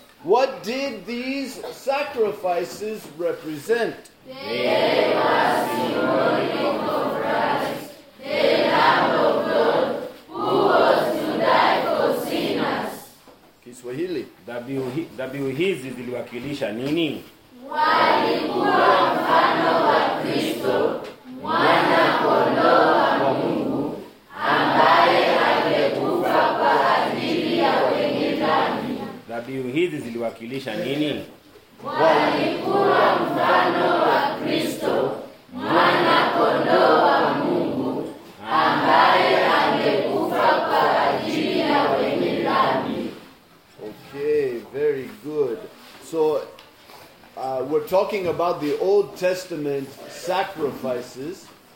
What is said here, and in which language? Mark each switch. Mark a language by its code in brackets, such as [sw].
[en] What did these sacrifices represent? They were symbolic of Christ, the Lamb of God, who was to die for sinners. Kiswahili. [sw] Dhabihu hizi ziliwakilisha nini? Walikuwa mfano wa Kristo, mwana kondoo wa Mungu, ambaye angekufa kwa ajili ya wenye dhambi. Dhabihu hizi ziliwakilisha nini? Walikuwa mfano wa Kristo, mwana kondoo wa Mungu, ambaye angekufa kwa ajili ya wenye dhambi. [en] Okay, very good. So we're talking about the Old Testament sacrifices.